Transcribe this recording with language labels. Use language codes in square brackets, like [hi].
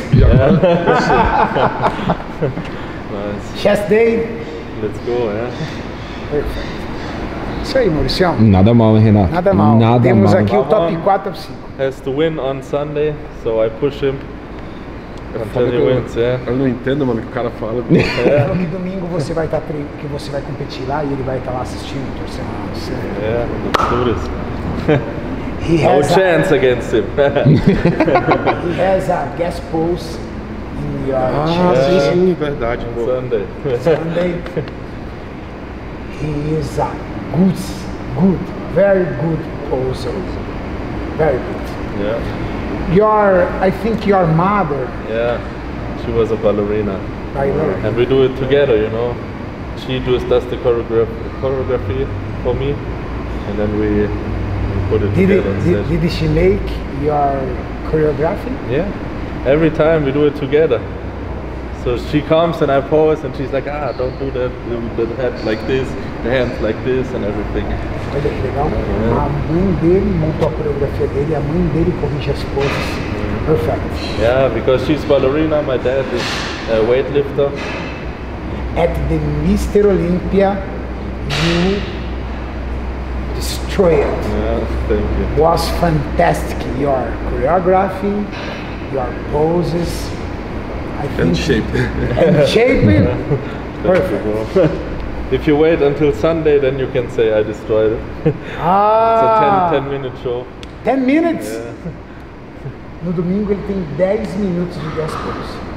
[en] Yeah. Nice. Chest day. Let's go, yeah. Perfect. [pt] Isso aí, Mauricião. Nada mal, hein, Renato. Nada mal. Nada temos mal. Aqui o top 4, top 5. [en] Has to win on Sunday, so I push him. Until he wins, yeah. [pt] Eu não entendo, mano, o que o cara fala. Ele falou que domingo você vai estar que você vai competir lá e ele vai estar lá assistindo, torcendo. [en] Yeah, let's do this. He has no chance against him. He has a guest post in New York. [pt] Ah, sim, sim, verdade. [en] On Sunday. Sunday. He is a good, good, very good poser. Very good. Yeah. I think your mother. Yeah, she was a ballerina. Ballerina. And we do it together, you know. She just does the choreography for me. And then we put it together. Did she make your choreography? Yeah. Every time we do it together. So she comes and I pose and she's like, ah, don't do that, the head like this, the hands like this and everything. [pt] Olha que legal, yeah. A mãe dele montou a coreografia dele, a mãe dele corrige as poses, [en] perfect. Yeah, because she's ballerina, my dad is a weightlifter. At the Mr. Olympia, you destroyed it. Yeah, thank you. Was fantastic, your choreography, your poses. And shape. And shape it? Yeah. Perfect. If you wait until Sunday, then you can say I destroyed it. Ah. It's a 10-minute show. 10 minutes? Yeah. [pt] No domingo ele tem 10 minutos de guest pose.